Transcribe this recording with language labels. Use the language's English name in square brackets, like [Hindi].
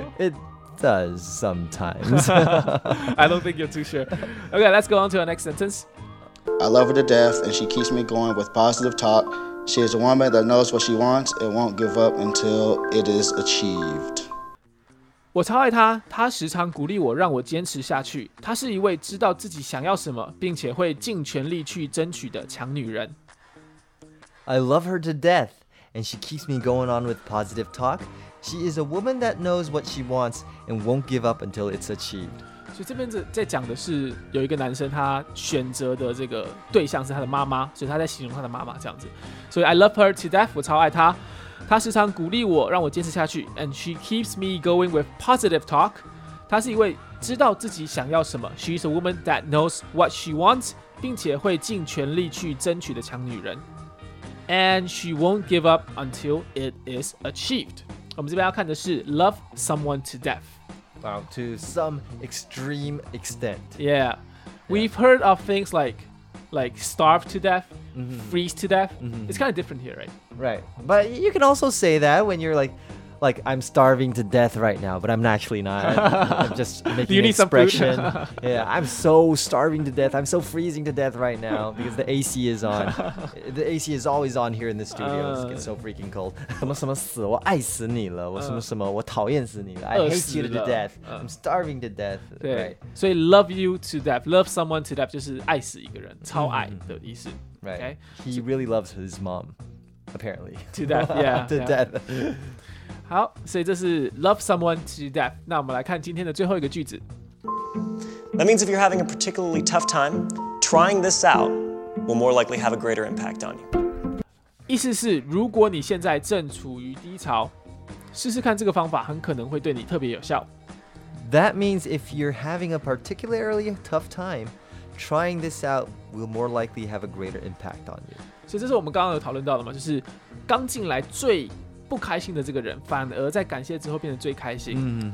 [English] It does sometimes. I don't think you're too sure. Okay, let's go on to our next sentence. I love her to death and she keeps me going with positive talk. She is a woman that knows what she wants and won't give up until it is achieved. [Chinese] 我超爱她，她时常鼓励我让我坚持下去。她是一位知道自己想要什么并且会尽全力去争取的强女人。 [English] I love her to death. And she keeps me going on with positive talk. She is a woman that knows what she wants and won't give up until it's achieved. [Chinese] 所以这边在讲的是有一个男生，他选择的这个对象是他的妈妈，所以他在形容他的妈妈这样子。所以 [English] I love her to death， [Chinese] 我超爱她。她时常鼓励我，让我坚持下去。 [English] And she keeps me going with positive talk. [Chinese] 她是一位知道自己想要什么。 [English] She is a woman that knows what she wants， [Chinese] 并且会尽全力去争取的强女人。 [English] And she won't give up until it is achieved. [Chinese] 我们这边要看的是 [English] love someone to death. Wow, to some extreme extent. Yeah. We've heard of things like starve to death, freeze to death. It's kind of different here, right? Right. But you can also say that when you're like I'm starving to death right now, but I'm actually not. I'm just making an expression. Yeah, I'm so starving to death. I'm so freezing to death right now because the AC is on. The AC is always on here in the studio. It's getting so freaking cold. [Chinese] 什么什么死，我爱死你了。我什么什么，我讨厌死你了。 [English] I hate you to death. I'm starving to death. [Chinese] 对，所以 [English] love you to death, love someone to death [Chinese] 就是爱死一个人，超爱的意思。 [English] Right. He really loves his mom, apparently. To death. Yeah. To death. [Chinese] 好，所以这是 [English] love someone to death。 [Chinese] 那我们来看今天的最后一个句子。 [English] That means if you're having a particularly tough time, trying this out will more likely have a greater impact on you。 [Chinese] 意思是，如果你现在正处于低潮，试试看这个方法很可能会对你特别有效。 [English] That means if you're having a particularly tough time, trying this out will more likely have a greater impact on you。 [Chinese] 所以这是我们刚刚有讨论到的嘛，就是刚进来最不开心的这个人反而在感谢之后变得最开心。